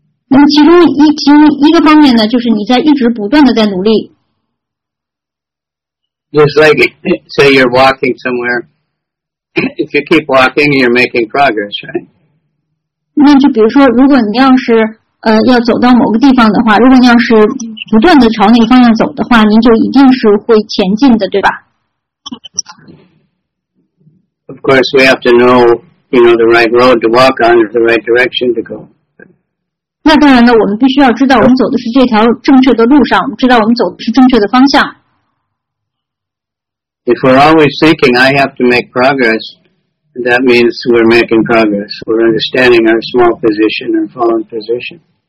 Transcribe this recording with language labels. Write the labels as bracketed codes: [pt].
[zh] 其中一个方面呢,就是你在一直不断地在努力。 [en] Just like, say you're walking somewhere. If you keep walking, you're making progress, right? [zh] 那就比如说,如果你要是要走到某个地方的话, 如果你要是不断地朝那个方向走的话, 您就一定是会前进的,对吧? [en] Of course, we have to know, you know, the right road to walk on or the right direction to go. [zh] 那当然呢,我们必须要知道我们走的是这条正确的路上,知道我们走的是正确的方向。 [en] If we're always thinking, I have to make progress, that means we're making progress. We're understanding our small position and fallen position.